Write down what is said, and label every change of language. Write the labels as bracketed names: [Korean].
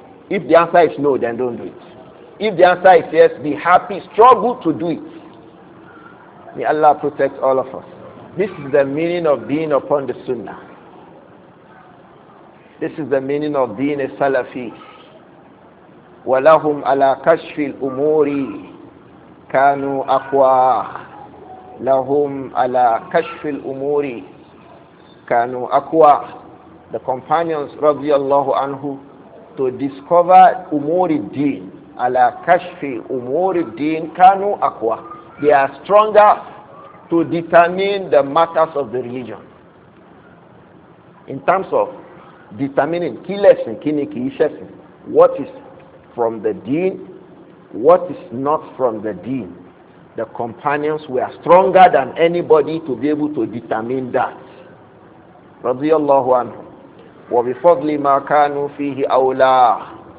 [English] If the answer is no, then don't do it. If the answer is yes, be happy, struggle to do it. May Allah protect all of us. This is the meaning of being upon the Sunnah. This is the meaning of being a Salafi. [Arabic] وَلَهُمْ عَلَىٰ كَشْفِ الْأُمُورِ كَانُوا أَقْوَىٰ لَهُمْ عَلَىٰ كَشْفِ الْأُمُورِ كَانُوا أَقْوَىٰ [English] The companions, [Arabic] رضي الله عنه, [English] to discover [Arabic] umuri deen, عَلَىٰ كَشْفِ umuri deen, كَانُوا أَقْوَىٰ [English] They are stronger to determine the matters of the religion. In terms of determining key lesson, key lesson, what is from the deen, what is not from the deen. The companions were stronger than anybody to be able to determine that. [Arabic] Radiyallahu anhu. Wa bifadli ma kanu fihi awla.